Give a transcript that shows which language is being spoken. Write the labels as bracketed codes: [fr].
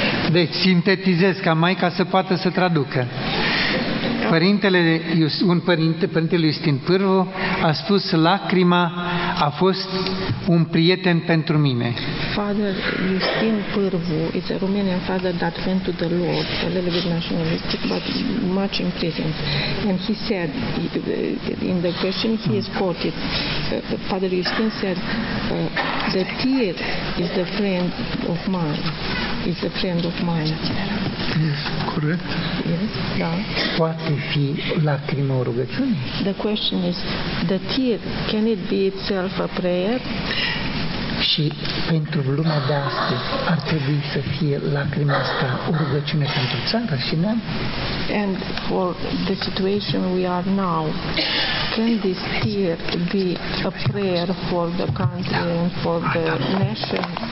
[ro] Deci, sintetizez ca mai ca să poată să traducă. Părintele Iustin Pârvu a spus: lacrima a fost un prieten pentru mine. [en] Father Iustin Pârvu is a Romanian father that went to the Lord, a little bit nationalist, but much in prison. And he said, in the question he is quoted, Father Iustin said, the tear is the friend of mine. Is a friend of mine. Yes, correct. Yes, da. [ro] Poate fi lacrima o rugăciune? [en] The question is, the tear, can it be itself a prayer? [ro] Și pentru lumea de astăzi ar trebui să fie lacrima asta o rugăciune pentru țară și neam? [en] And for the situation we are now, can this tear be a prayer for the country and for the nation?